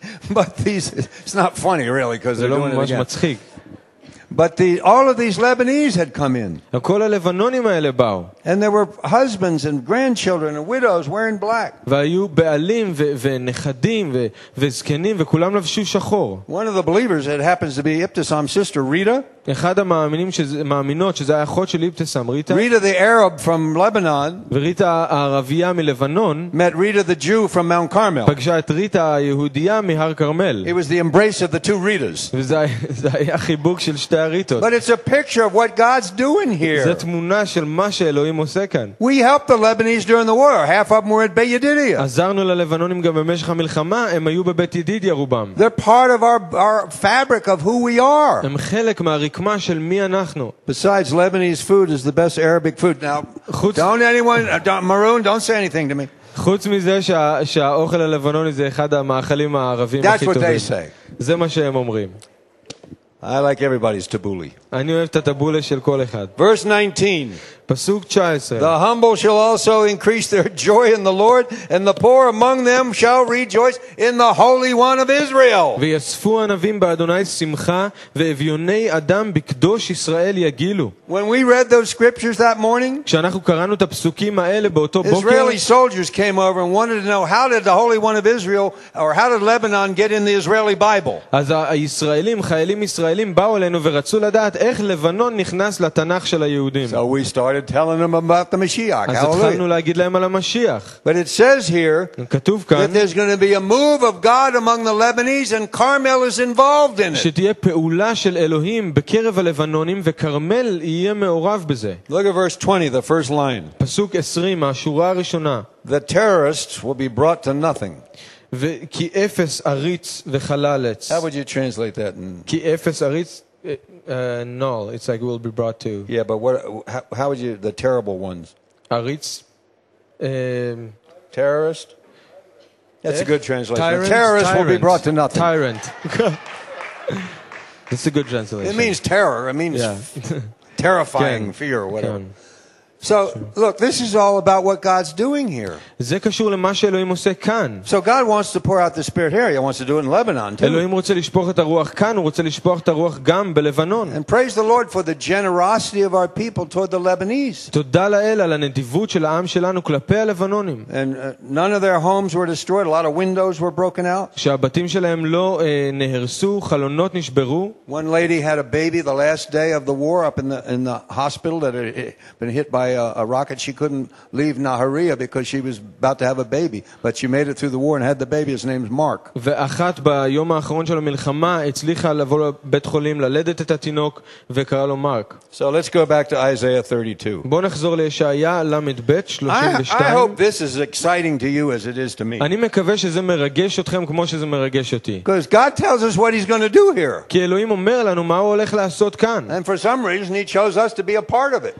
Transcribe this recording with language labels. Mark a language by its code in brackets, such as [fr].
[en] But these, it's not funny really, because they're doing it again. [he] זה לא ממש מצחיק. [en] But all of these Lebanese had come in. [he] כל הלבנונים האלה באו. [en] And there were husbands and grandchildren and widows wearing black. [he] והיו בעלים ונכדים וזקנים וכולם לבשו שחור. [en] One of the believers, it happens to be Ibtisam's sister Rita. [he] אחד המאמינים שמאמינות שזה האחות של איבטיסאם, ריטה. [en] Rita the Arab from Lebanon. [he] וריטה הערבייה מלבנון. [en] Met Rita the Jew from Mount Carmel. [he] פגשה את ריטה היהודייה מהר כרמל. [en] It was the embrace of the two Ritas. [he] וזה היה חיבוק של שתי הריטות. [en] But it's a picture of what God's doing here. [he] זה תמונה של מה שאלוהים עושה כאן. [en] We helped the Lebanese during the war. Half of them were at Beit Yedidiah. [he] עזרנו ללבנונים גם במשך המלחמה, הם היו בבית ידידיה רובם. [en] They're part of our fabric of who we are. [he] הם חלק מהרקמה של מי אנחנו. [en] Besides, Lebanese food is the best Arabic food. Now, don't say anything to me. [he] חוץ מזה שהאוכל הלבנוני זה אחד המאכלים הערבים הכי טובים. [en] That's what they say. [he] זה מה שהם אומרים. [en] I like everybody's tabbouli. [he] אני אוהב את הטבולה של כל אחד. [en] Verse 19. [he] פסוק 19. [en] The humble shall also increase their joy in the Lord, and the poor among them shall rejoice in the Holy One of Israel. [he] ויספו ענבים באדוני שמחה, ואביוני אדם בקדוש ישראל יגילו. [en] When we read those scriptures that morning, [he] כשאנחנו קראנו את הפסוקים האלה באותו בוקר, [en] Israeli soldiers came over and wanted to know how did the Holy One of Israel or how did Lebanon get in the Israeli Bible. [he] אז הישראלים, חיילים ישראלים באו אלינו ורצו לדעת איך לבנון נכנס לתנ"ך של היהודים. [en] So we started telling them about the Mashiach. [he] אז התחלנו להגיד להם על המשיח. [en] But it says here, [he] כתוב כאן, [en] that there's going to be a move of God among the Lebanese and Carmel is involved in it. [he] שתהיה פעולה של אלוהים בקרב הלבנונים וכרמל יהיה מעורב בזה. [en] Look at verse 20, the first line. [he] פסוק 20, השורה הראשונה. [en] The terrorists will be brought to nothing. [he] כי אפס עריץ וחללץ. [en] How would you translate that? [he] כי אפס עריץ null. [en] It's like will be brought to. Yeah, but what? How would you the terrible ones? Aritz. Terrorist. That's a good translation. Terrorist will be brought to nothing. Tyrant. That's a good translation. It means terror. It means terrifying fear or whatever. Can. So look, this is all about what God's doing here. [he] זה קשור למה שאלוהים עושה כאן. [en] So God wants to pour out the Spirit here. He wants to do it in Lebanon too. [he] אלוהים רוצה לשפוך את הרוח כאן, הוא רוצה לשפוך את הרוח גם בלבנון. [en] And praise the Lord for the generosity of our people toward the Lebanese. [he] תודה לאל על הנדיבות של העם שלנו כלפי הלבנונים. [en] And none of their homes were destroyed. A lot of windows were broken out. [he] שהבתים שלהם לא נהרסו, חלונות נשברו. [en] One lady had a baby the last day of the war up in the hospital that had been hit by a rocket. She couldn't leave Nahariya because she was about to have a baby, but she made it through the war and had the baby. His name's Mark. [he] ואחת ביום האחרון של המלחמה הצליחה לבוא לבית חולים ללדת את התינוק וקרא לו מרק. [en] So let's go back to Isaiah 32. [he] בוא נחזור לישעיה למד בית 32. [en] I hope this is exciting to you as it is to me. [he] אני מקווה שזה מרגש אתכם כמו שזה מרגש אותי. [en] Because God tells us what he's going to do here. [he] כי אלוהים אומר לנו מה הוא הולך לעשות כאן. [en] And for some reason he chose us to be a part of it.